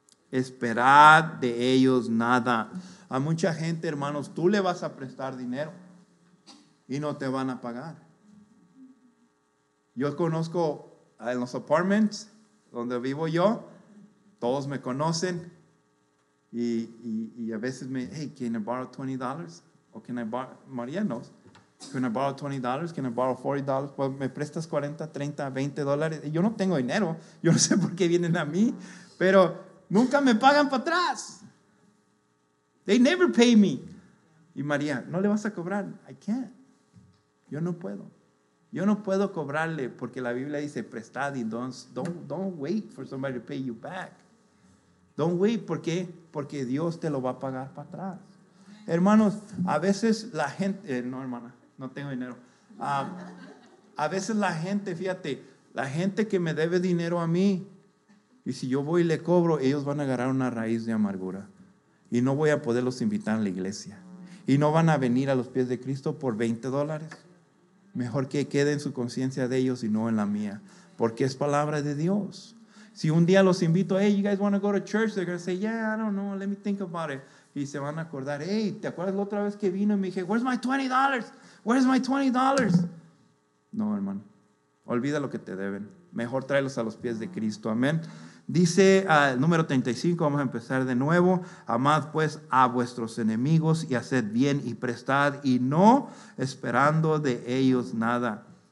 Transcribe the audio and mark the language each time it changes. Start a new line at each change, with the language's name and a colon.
Spanish: Esperad de ellos nada. A mucha gente, hermanos, tú le vas a prestar dinero y no te van a pagar. Yo conozco en los apartments, donde vivo yo, todos me conocen. Y a veces me,
English: hey, can I borrow $20? O can I borrow, Marianos, can I borrow $20? Can I borrow $40? Well,
Spanish: me prestas 40, 30, 20 dólares. Yo no tengo dinero. Yo no sé por qué vienen a mí. Pero nunca me pagan para atrás.
English: They never pay me.
Spanish: Y María, ¿no le vas a cobrar?
English: I can't.
Spanish: Yo no puedo. Yo no puedo cobrarle porque la Biblia dice, prestad y
English: don't wait for somebody to pay you back. Don't wait,
Spanish: ¿por qué? Porque Dios te lo va a pagar para atrás. Hermanos, a veces la gente, no hermana, no tengo dinero. A veces la gente, fíjate, la gente que me debe dinero a mí, y si yo voy y le cobro, ellos van a agarrar una raíz de amargura. Y no voy a poderlos invitar a la iglesia. Y no van a venir a los pies de Cristo por $20. Mejor que quede en su conciencia de ellos y no en la mía. Porque es palabra de Dios. Si un día los invito,
English: hey, you guys want to go to church? They're going to say, yeah, I don't know, let me think about it.
Spanish: Y se van a acordar, hey, ¿te acuerdas la otra vez que vino? Y me dije,
English: where's my $20? Where's my $20?
Spanish: No, hermano, olvida lo que te deben. Mejor tráelos a los pies de Cristo, amén. Dice el número 35, vamos a empezar de nuevo. Amad pues a vuestros enemigos y haced bien y prestad y no esperando de ellos nada.